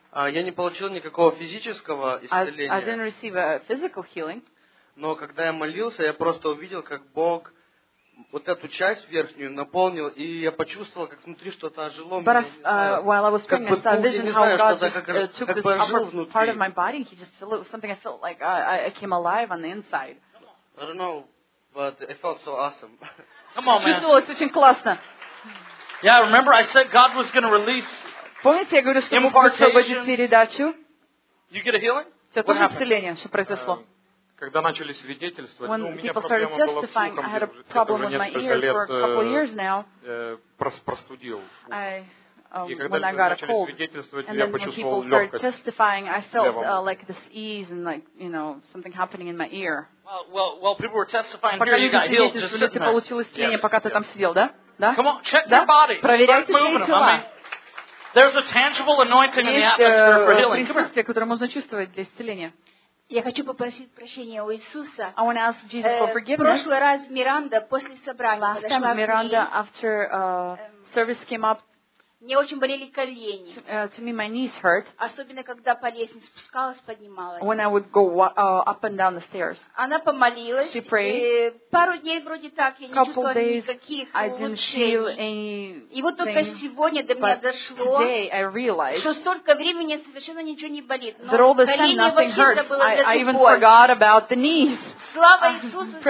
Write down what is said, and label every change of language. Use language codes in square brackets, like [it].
[ru] Я не получил никакого физического исцеления. [en] I didn't receive a physical healing. [ru] Но когда я молился, я просто увидел, как Бог вот эту часть верхнюю наполнил, и я почувствовал, как внутри что-то ожило. [en] But while I was praying, I saw a vision how God just took this upper part of my body. He just filled it with something. I felt like I came alive on the inside. I don't know, but it felt so awesome. Come on, man. [ru] Чувствовалось очень классно. [en] Yeah, remember I said God was going to release. [ru] Помните, я говорю, что Бог освободит передачу? [en] You get a healing? [ru] Все тоже исцеление, что произошло? Когда начали свидетельствовать, ну, у меня проблема была с слухом, где уже несколько лет простудил. И когда начали [en] cold. [ru] Свидетельствовать, and я почувствовал легкость в левом. [en] Like this ease and like, you know, something happening in my ear. Well, people were testifying [ru] пока [en] here, you got healed, just sitting there. [ru] Получил исцеление, пока ты там сидел, да? Да? [en] Come on, check your body. [ru] Проверяйте свои тела. [en] There's a tangible anointing in the atmosphere for healing. [ru] Присутствие, которое можно чувствовать для исцеления. Я хочу попросить прощения у Иисуса. [en] I want to ask Jesus for forgiveness. [ru] Прошлый раз Миранда после собрания подошла к ней. [en] Last time Miranda after service came up. [ru] Мне очень болели колени. [en] To me my knees hurt. [ru] Особенно когда по лестнице спускалась, поднималась. [en] When I would go up and down the stairs. [ru] Она помолилась. [en] She prayed. [ru] Пару дней вроде так, я не чувствовала никаких улучшений. И вот только сегодня до меня дошло, что столько времени совершенно ничего не болит. Но колени вообще-то было до сих пор. [en] I even forgot about the knees. [ru] Слава Иисусу, спасибо.